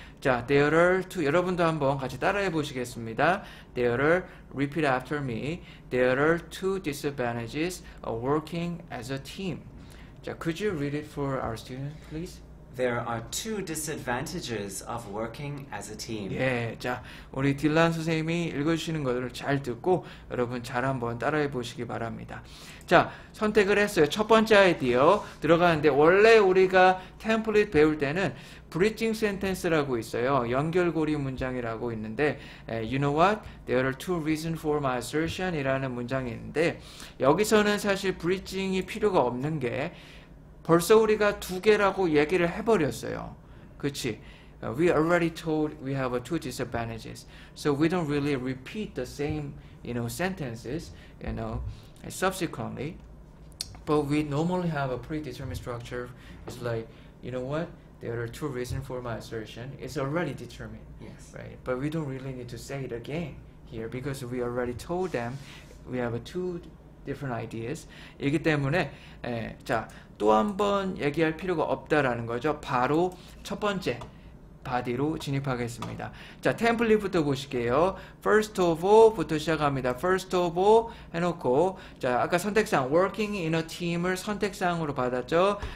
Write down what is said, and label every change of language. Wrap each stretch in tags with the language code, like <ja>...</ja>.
<ko>자,</ko> <en>there are two,</en> <ko>여러분도 한번 같이 따라해 보시겠습니다.</ko> <en>There are, repeat after me, there are two disadvantages of working as a team. 자, could you read it for our students, please? There are two disadvantages of working as a team.</en> <ko>예, 자, 우리 딜란 선생님이 읽어주시는 것을 잘 듣고 여러분 잘 한번 따라해 보시기 바랍니다. 자, 선택을 했어요. 첫 번째 아이디어 들어가는데 원래 우리가 템플릿 배울 때는 브릿징 센텐스라고 있어요. 연결고리 문장이라고 있는데</ko> <en>You know what? There are two reasons for my assertion</en> <ko>이라는 문장이 있는데 여기서는 사실 브릿징이 필요가 없는 게 벌써 우리가 두 개라고 얘기를 해버렸어요. 그치?</ko> <en>We already told we have two disadvantages. So we don't really repeat the same, you know, sentences, you know, subsequently. But we normally have a predetermined structure. It's like, you know what? There are two reasons for my assertion. It's already determined. Yes. Right? But we don't really need to say it again here because we already told them we have two different ideas.</en> <ko>이기 때문에, 예, 자, 또 한 번 얘기할 필요가 없다라는 거죠. 바로 첫 번째 바디로 진입하겠습니다. 자, 템플릿부터 보실게요. First of all부터 시작합니다. First of all 해놓고, 자, 아까 선택사항, working in a team을 선택사항으로 받았죠.</ko>